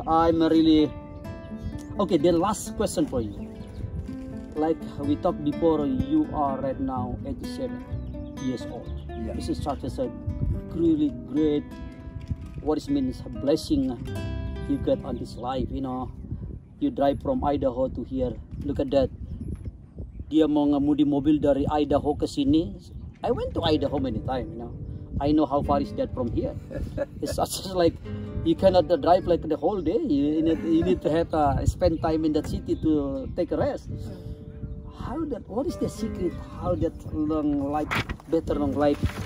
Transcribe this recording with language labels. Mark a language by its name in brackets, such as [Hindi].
[English] I'm really, okay, the last question for you. Like we talked before, you are right now 87 years old. Yeah. This is such a really great, what it means, a blessing you get on this life, you know. You drive from Idaho to here. Look at that. [Indonesian] Dia mau ngemudi mobil dari Idaho ke sini. [English] I went to Idaho many times, you know. I know how far is that from here. It's such as like, you cannot drive like the whole day. You need to have spend time in that city to take a rest. How that? What is the secret? How that long life, better long life?